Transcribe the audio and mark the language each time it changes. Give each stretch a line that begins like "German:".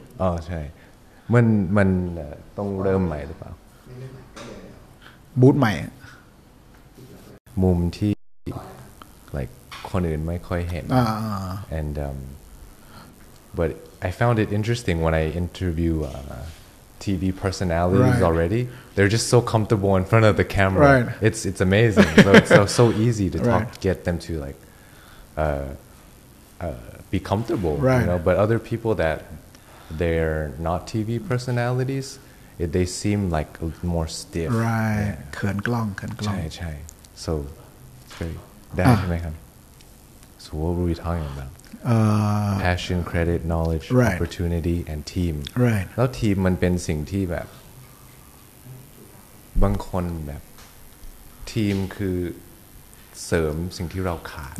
Thai: อ๋อใช่มันต้องเริ่มใหม่หรือเปล่า บูธใหม่ มุมที่
English: like
Thai: คนอื่นไม่ค่อยเห็น
English: and but I found it interesting when I interview TV personalities right. already. They're just so comfortable in front of the camera. Right. It's amazing. so easy to talk, right. get them to like, be comfortable. Right. You know, but other people that they're not TV personalities, they seem like more stiff.
Thai: Right. เขินกล้องเขินกล้อง ใช่ใช่
English: so it's very that
Thai: ใช่ไหมครับ
English: So what were we talking about? Passion, credit, knowledge, right. opportunity, and team. Right.
Thai: แล้วทีมมันเป็นสิ่งที่แบบบางคนแบบทีมคือเสริมสิ่งที่เราขาด